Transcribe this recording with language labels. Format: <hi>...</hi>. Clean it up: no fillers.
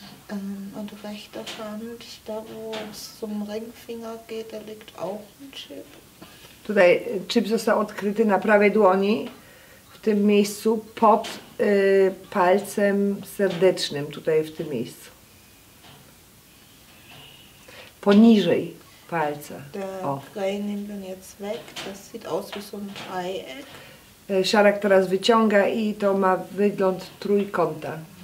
<de>Und rechter Hand, da wo es zum Ringfinger geht, da liegt auch ein Chip.</de> <pl>Tutaj chip został odkryty na prawej dłoni, w tym miejscu, pod palcem serdecznym, tutaj w tym miejscu. Poniżej palca.</pl> <de>Der Kreis nimmt den jetzt weg, das sieht aus wie so ein Dreieck.</de> <pl>Szarak teraz wyciąga i to ma wygląd trójkąta.</pl>